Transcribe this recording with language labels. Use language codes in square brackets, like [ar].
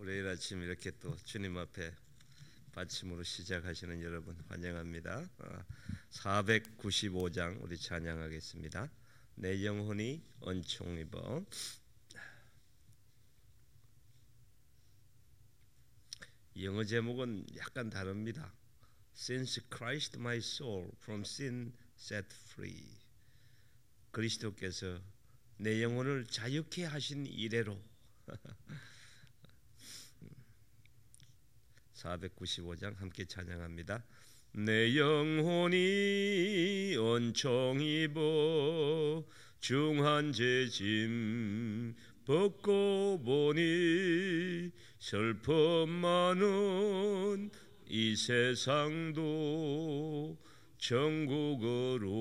[ko] 아침 이렇게 또 주님 앞에 받침으로 시작하시는 여러분 환영합니다. 495장 우리 찬양하겠습니다. 내 영혼이 은총 입어. 영어 제목은 약간 다릅니다. [en] Since Christ my soul from sin set free. [ko] 그리스도께서 내 영혼을 자유케 하신 이래로. 495장 함께 찬양합니다. 내 영혼이 온총입어 중한 죄 짐 벗고 보니 슬픔 많은 이 세상도 천국으로